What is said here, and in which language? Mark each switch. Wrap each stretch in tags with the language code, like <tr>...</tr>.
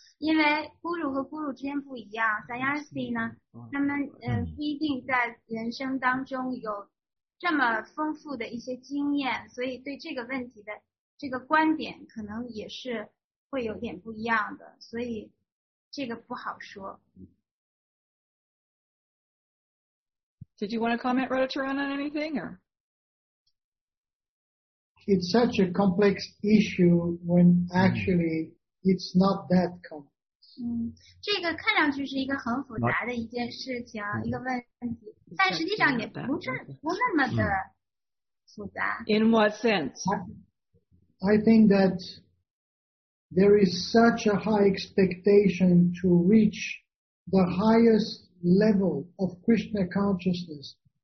<zh>因为 Guru 和 Guru 之间不一样， Sannyasi 呢他们不一定在人生当中有这么丰富的一些经验，所以对这个问题的这个观点可能也是会有点不一样的，所以这个不好说。</zh> <en>Did you want to comment, Radhakaran, on anything? Or? It's such a complex issue when actually it's not that complex.</en> <zh>这个看上去是一个很复杂的一件事情，一个问题，但实际上也不那么的复杂。</zh> <en>In what sense? I think that there is such a high expectation to reach the highestlevel of Krishna consciousness</en>